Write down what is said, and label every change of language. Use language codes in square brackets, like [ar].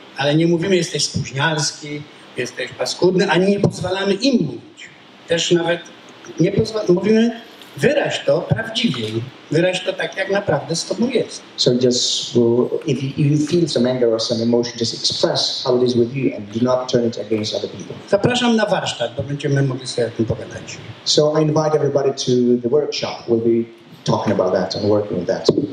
[pl] Ale nie mówimy, jesteś spóźniarski, jesteś paskudny, ani nie pozwalamy im mówić. Też nawet nie pozwalamy, mówimy, wyraź to prawdziwie, wyraź to tak, jak naprawdę z tobą jest. [en] So just, if you feel some anger or some emotion, just express how it is with you and do not turn it against other people. [pl] Zapraszam na warsztat, bo będziemy mogli sobie o tym pogadać. [en] So I invite everybody to the workshop. We'll be talking about that and working with that.